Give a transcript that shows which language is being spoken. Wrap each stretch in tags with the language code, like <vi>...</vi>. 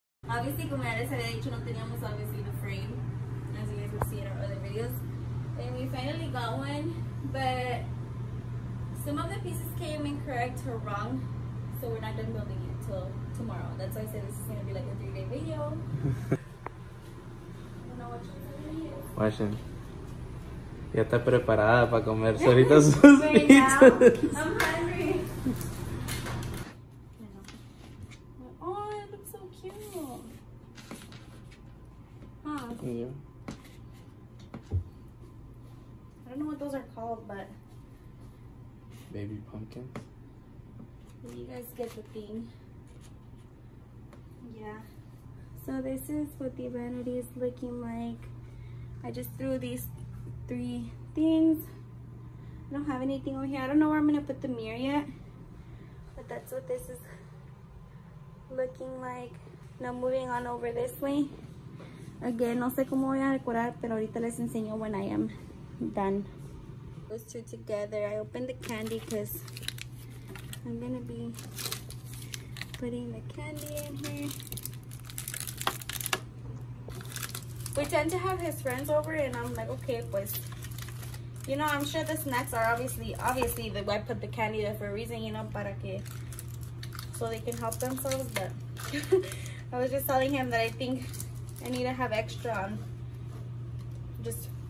<en>Obviously,</en> <es>como ya les había dicho, no teníamos</es> <en>obviously the frame, as you guys will see in our other videos. And we finally got one, but some of the pieces came incorrect or wrong, so we're not done building it till tomorrow. That's why I said this is gonna be like a 3-day video. I don't know what you're doing. Washing.</en> <es>Ya está preparada para comer solita sus pizzas.</es> <en>I'm hungry. Oh, that looks so cute. Oh, yeah. I don't know what those are called, but baby pumpkins. You guys get the thing. Yeah. So this is what the vanity is looking like. I just threw these three things. I don't have anything over here. I don't know where I'm gonna put the mirror yet, but that's what this is looking like. Now moving on over this way.</en> <es>Again, no sé cómo voy a decorar, pero ahorita les enseño</es> <en>when I am done. Those two together. I opened the candy because I'm gonna be putting the candy in here. We tend to have his friends over and I'm like, okay,</en> <es>pues,</es> <en>you know, I'm sure the snacks are obviously the why I put the candy there for a reason, you know,</en> <es>para que,</es> <en>so they can help themselves, but I was just telling him that I think I need to have extra on just</en>